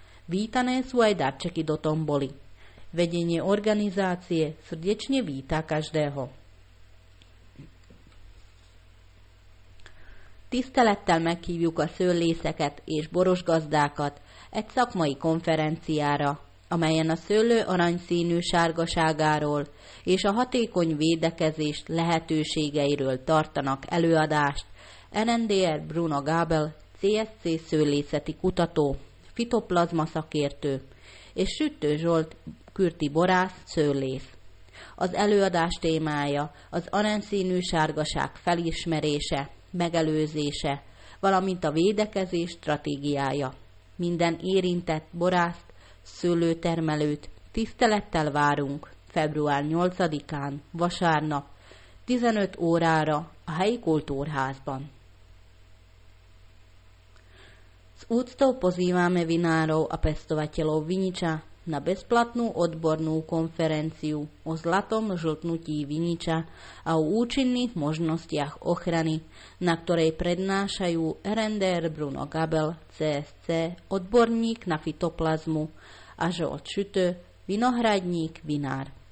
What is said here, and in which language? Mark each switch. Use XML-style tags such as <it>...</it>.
<sk>Vítané sú aj darčeky do tomboly. Vedenie organizácie srdečne víta každého.</sk> <hu>Tisztelettel meghívjuk a szőlészeket és borosgazdákat egy szakmai konferenciára, amelyen a szőlő aranyszínű sárgaságáról és a hatékony védekezés lehetőségeiről tartanak előadást NNDR Bruno Gabel, CSC szőlészeti kutató, fitoplazma szakértő és Süttő Zsolt kürti borász szőlész. Az előadás témája az aranyszínű sárgaság felismerése, megelőzése, valamint a védekezés stratégiája. Minden érintett borászt, szőlőtermelőt tisztelettel várunk február 8-án, vasárnap, 15 órára a helyi kultúrházban.</hu> <sk>S úctou pozývame vinárov a pestovateľov viniča na bezplatnú odbornú konferenciu o zlatom žltnutí viniča a o účinných možnostiach ochrany, na ktorej prednášajú RNDR Bruno Gabel, CSC, odborník na fitoplazmu a Zsolt Sütő, vinohradník, vinár.</sk>